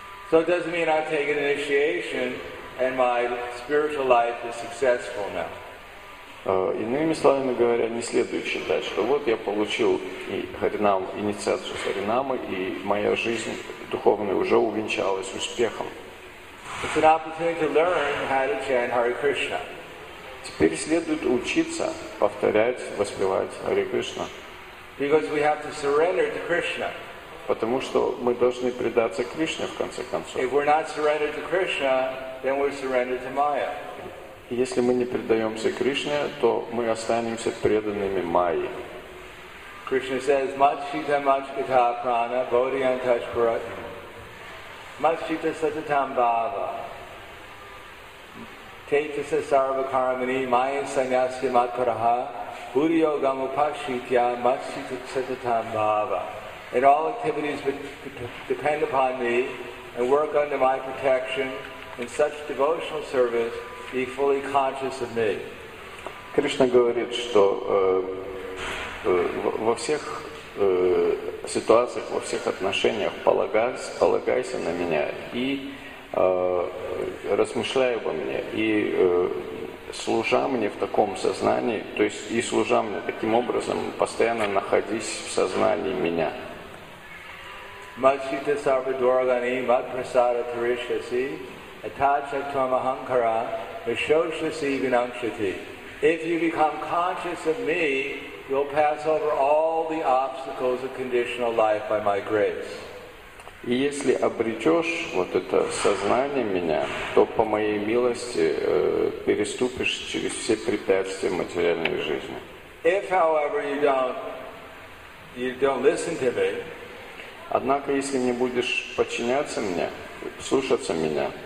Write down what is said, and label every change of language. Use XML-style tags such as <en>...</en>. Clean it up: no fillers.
<en>So it doesn't mean I've taken initiation and my spiritual life is successful now.</en> <ru>Иными словами говоря, не следует считать, что вот я получил и Харинам, инициацию Харинамы, и моя жизнь духовная уже увенчалась успехом.</ru> <en>It's an opportunity to learn how to chant Hare Krishna.</en> <ru>Теперь следует учиться повторять, воспевать Hare Krishna.</ru> <en>Because we have to surrender to Krishna.</en> <ru>Потому что мы должны предаться Кришне в конце концов.</ru> <en>If we're not surrendered to Krishna, then we're surrendered to Maya.</en> <ru>Если мы не предаемся Кришне, то мы останемся преданными Майе.</ru> <sa>Krishna says, Matshita Matshita Prana Bodhi Antashparat Matshita Satatam Bhava Tetasa Sarva Karmani Maya Sanyasya Matparaha Buryo Gamupashitya Matshita Satatam Bhava.</sa> <en>And all activities depend upon me and work under my protection in such devotional service. Be fully conscious of me.</en> <ru>Кришна говорит, что во всех ситуациях, во всех отношениях полагайся на меня и размышляй обо мне и служа мне в таком сознании, то есть и служа мне таким образом, постоянно находись в сознании меня.</ru> <sa>Матчита сарвадоргани мат прасада таришаси атача твамахамкара.</sa> <en>If you become conscious of me, you'll pass over all the obstacles of conditional life by my grace.</en> <ru>И если обретешь вот это сознание меня, то по моей милости переступишь через все препятствия материальной жизни.</ru> <en>If, however, you don't listen to me.</en> <ru>Однако, если не будешь подчиняться мне, слушаться меня.</ru>